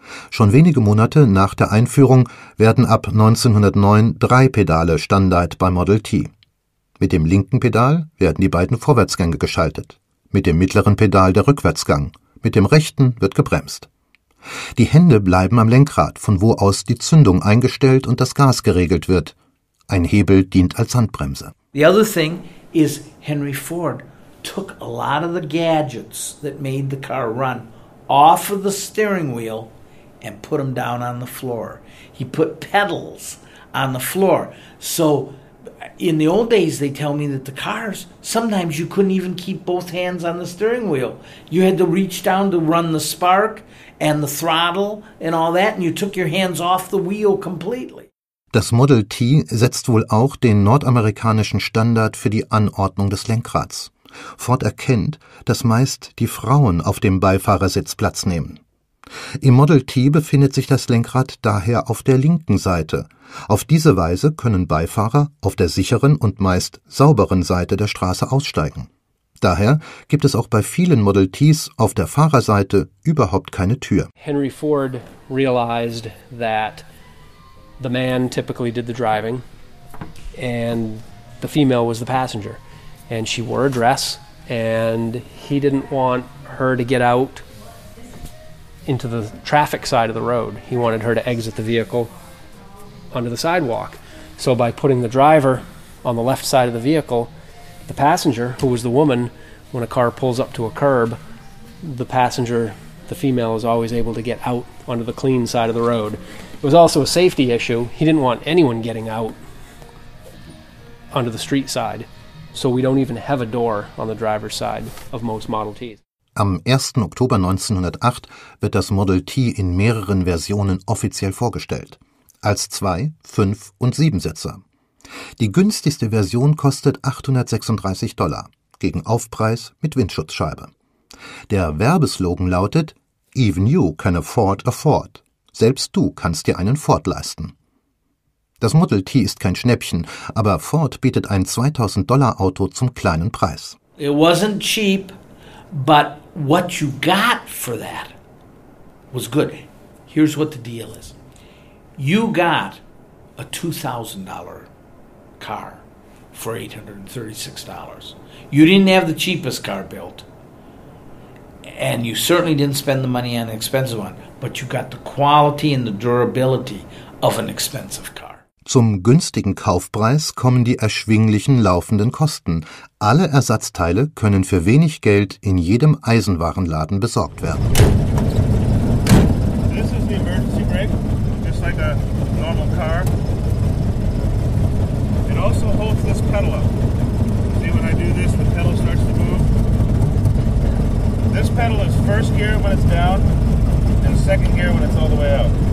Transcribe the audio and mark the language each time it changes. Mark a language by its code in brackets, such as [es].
[de] Schon wenige Monate nach der Einführung werden ab 1909 drei Pedale Standard bei Model T. Mit dem linken Pedal werden die beiden Vorwärtsgänge geschaltet, mit dem mittleren Pedal der Rückwärtsgang, mit dem rechten wird gebremst. Die Hände bleiben am Lenkrad, von wo aus die Zündung eingestellt und das Gas geregelt wird. Ein Hebel dient als Handbremse. [en] The other thing is Henry Ford took a lot of the gadgets that made the car run off of the steering wheel and put them down on the floor. He put pedals on the floor. So in the old days they tell me that the cars, sometimes you couldn't even keep both hands on the steering wheel. You had to reach down to run the spark and the throttle and all that, and you took your hands off the wheel completely. [de] Das Model T setzt wohl auch den nordamerikanischen Standard für die Anordnung des Lenkrads. Ford erkennt, dass meist die Frauen auf dem Beifahrersitz Platz nehmen. Im Model T befindet sich das Lenkrad daher auf der linken Seite. Auf diese Weise können Beifahrer auf der sicheren und meist sauberen Seite der Straße aussteigen. Daher gibt es auch bei vielen Model Ts auf der Fahrerseite überhaupt keine Tür. [en] Henry Ford realized that the man typically did the driving and the female was the passenger. And she wore a dress and he didn't want her to get out into the traffic side of the road. He wanted her to exit the vehicle onto the sidewalk. So by putting the driver on the left side of the vehicle, the passenger, who was the woman, when a car pulls up to a curb, the passenger, the female, is always able to get out onto the clean side of the road. It was also a safety issue. He didn't want anyone getting out onto the street side. So we don't even have a door on the driver's side of most Model Ts. [de] Am 1. Oktober 1908 wird das Model T in mehreren Versionen offiziell vorgestellt. Als 2-, 5- und 7-Sitzer. Die günstigste Version kostet $836, gegen Aufpreis mit Windschutzscheibe. Der Werbeslogan lautet, [en] Even you can afford a Ford. [de] Selbst du kannst dir einen Ford leisten. Das Model T ist kein Schnäppchen, aber Ford bietet ein $2,000 Auto zum kleinen Preis. [en] It wasn't cheap. But what you got for that was good. Here's what the deal is. You got a $2,000 car for $836. You didn't have the cheapest car built. And you certainly didn't spend the money on an expensive one. But you got the quality and the durability of an expensive car. [de] Zum günstigen Kaufpreis kommen die erschwinglichen laufenden Kosten. Alle Ersatzteile können für wenig Geld in jedem Eisenwarenladen besorgt werden. [en] This is the emergency brake, just like a normal car. It also holds this pedal up. See, when I do this, the pedal starts to move. This pedal is first gear when it's down and second gear when it's all the way out.